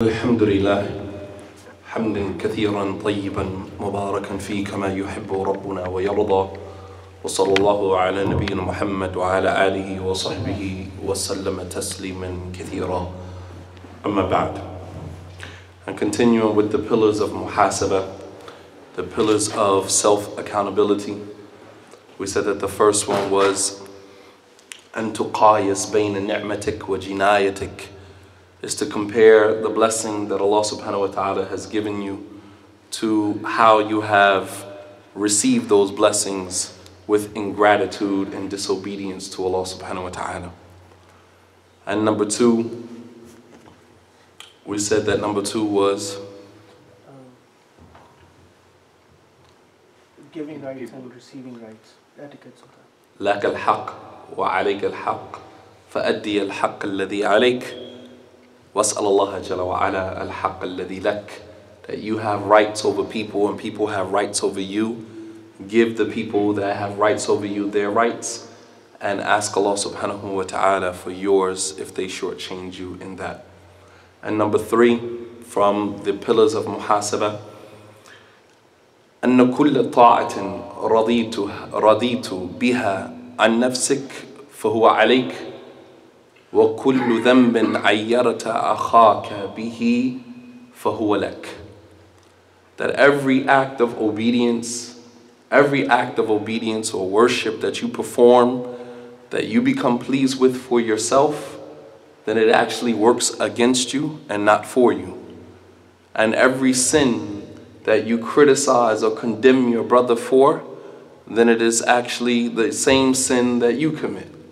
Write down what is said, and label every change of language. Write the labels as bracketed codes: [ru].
[ar] الحمد لله حمدا كثيرا طيبا مباركا فيه كما يحب ربنا ويرضى، وصلى الله على نبينا محمد وعلى آله وصحبه وسلم تسليما كثيرا. أما بعد، [en] and continue with the pillars of muhasaba, the pillars of self-accountability. We said that the first one was [ar] أن تقايس بين نعمتك وجنايتك, [en] is to compare the blessing that Allah subhanahu wa ta'ala has given you to how you have received those blessings with ingratitude and disobedience to Allah subhanahu wa ta'ala. And number two, we said that number two was giving rights and receiving rights, etiquette sometimes. [ar] لك الحق وعليك الحق فأدي الحق الذي عليك وأسأل الله جل وعلا الحق الذي لك. [en] That you have rights over people and people have rights over you. Give the people that have rights over you their rights and ask Allah subhanahu wa ta'ala for yours if they shortchange you in that. And number three, from the pillars of muhasaba, [ar] أن كل طاعة رضيت بها عن نفسك فهو عليك وكل ذنب عيرت أخاك به فهو لك. [en] That every act of obedience, every act of obedience or worship that you perform, that you become pleased with for yourself, then it actually works against you and not for you. And every sin that you criticize or condemn your brother for, then it is actually the same sin that you commit.